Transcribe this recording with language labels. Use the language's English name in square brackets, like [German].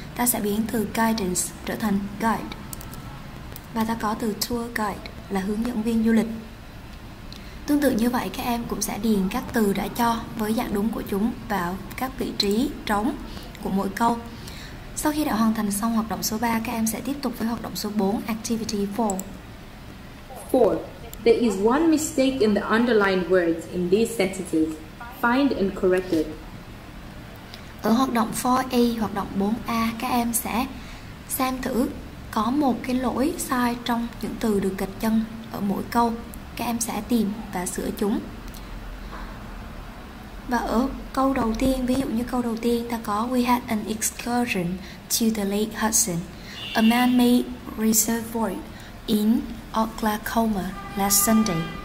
[Vietnamese] ta sẽ biến từ guidance trở thành guide. Và ta có từ tour guide là hướng dẫn viên du lịch. Tương tự như vậy, các em cũng sẽ điền các từ đã cho với dạng đúng của chúng vào các vị trí trống của mỗi câu. Sau khi đã hoàn thành xong hoạt động số 3, các em sẽ tiếp tục với hoạt động số 4, activity 4. [English] 4. There is one mistake in the underlined words in these sentences. Find and correct it. [Vietnamese] Ở hoạt động 4A, hoạt động 4A, các em sẽ xem thử có một cái lỗi sai trong những từ được gạch chân ở mỗi câu. Các em sẽ tìm và sửa chúng. Và ở câu đầu tiên, ví dụ như câu đầu tiên, ta có [English] We had an excursion to the Lake Hudson, a man-made reservoir in Oklahoma last Sunday.